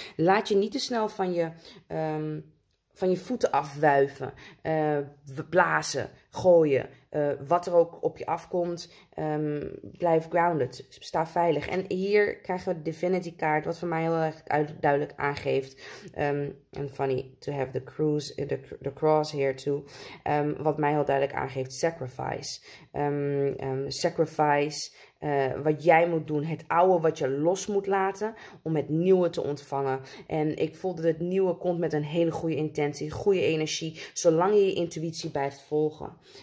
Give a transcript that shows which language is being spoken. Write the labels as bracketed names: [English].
[Dutch] Laat je niet te snel van je voeten afwuiven, blazen, gooien, wat er ook op je afkomt, blijf grounded, sta veilig. En hier krijgen we de Divinity kaart, wat voor mij heel erg duidelijk aangeeft. [English] And funny to have the cross here too. [Dutch] Wat mij heel duidelijk aangeeft, sacrifice. Sacrifice, wat jij moet doen. Het oude wat je los moet laten om het nieuwe te ontvangen. En ik voel dat het nieuwe komt met een hele goede intentie, goede energie, zolang je je intuïtie blijft volgen.